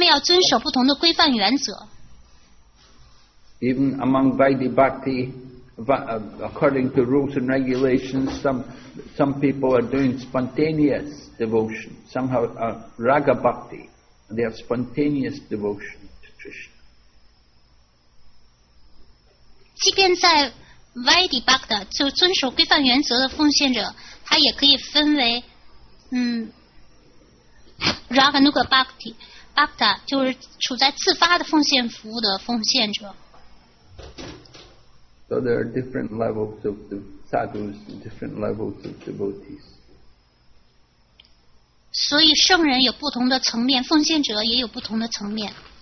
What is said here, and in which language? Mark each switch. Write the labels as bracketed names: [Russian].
[Chinese] 他们要遵守不同的规范原则。 [English] Even among vaidhi bhakti, according to rules and regulations, some people are doing spontaneous devotion. Some have raga bhakti. They have spontaneous devotion to Krishna. [Chinese] 即便在 vaidhi bhakti, 就遵守规范原则的奉献者, 他也可以分为 raganuga bhakti, bhakti, 就是处在自发的奉献服务的奉献者。 [English] So there are different levels of the sadhus and different levels of devotees. [Chinese] 所以圣人有不同的层面, 奉献者也有不同的层面。